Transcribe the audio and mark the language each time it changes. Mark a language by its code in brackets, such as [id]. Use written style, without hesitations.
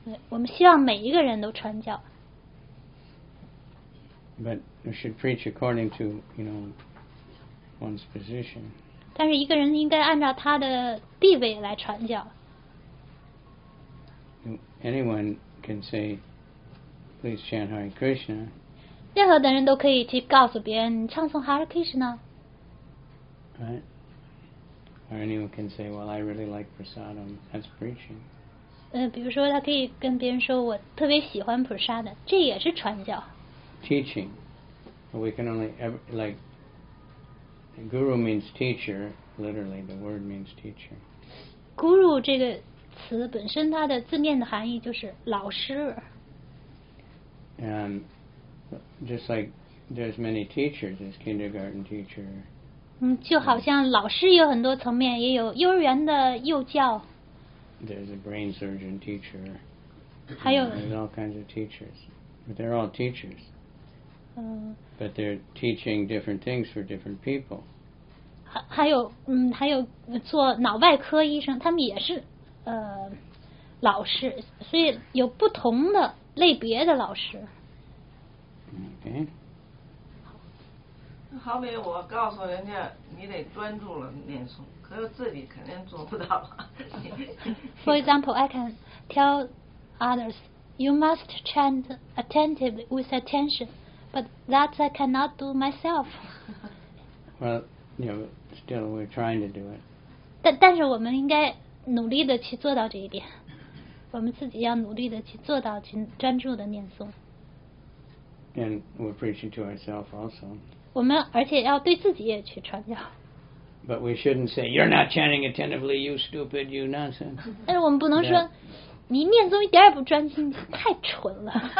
[zh] 我们希望每一个人都传教。 [en] But we should preach according to you know one's position. [zh] 但是一个人应该按照他的地位来传教。 [en] Anyone can say. Please chant Hare Krishna. [zh] 任何的人都可以去告诉别人唱诵 Hare Krishna. [en] Right? Or anyone can say, well, I really like prasadam. That's preaching. [zh] 比如说他可以跟别人说我特别喜欢 prasadam. 这也是传教。 [en] Teaching. We can only ever, like, guru means teacher. Literally, the word means teacher. [zh] Guru 这个词本身它的字面的含义就是老师。 [en] And just like there's many teachers, there's kindergarten teacher. [zh] 就好像老师有很多层面，也有幼儿园的幼教。 [en] There's a brain surgeon teacher. [zh] 还有 [en] there's all kinds of teachers, but they're all teachers. But they're teaching different things for different people. [zh] 还有还有做脑外科医生，他们也是老师，所以有不同的类别的老师。 [en] Okay. [zh] 好比我告诉人家你得专注了念诵，可是自己肯定做不到。 [en] For example, I can tell others you must chant attentively with attention, but that I cannot do myself. Well, you know, still we're trying to do it. [zh] 但是我们应该努力的去做到这一点。我们自己要努力的去做到去专注的念诵。 [en] And we're preaching to ourselves also. [zh] 我们而且要对自己也去传教。 [en] But we shouldn't say, you're not chanting attentively, you stupid, you nonsense. [zh] 但是我们不能说 你念诵一点也不专心，太蠢了。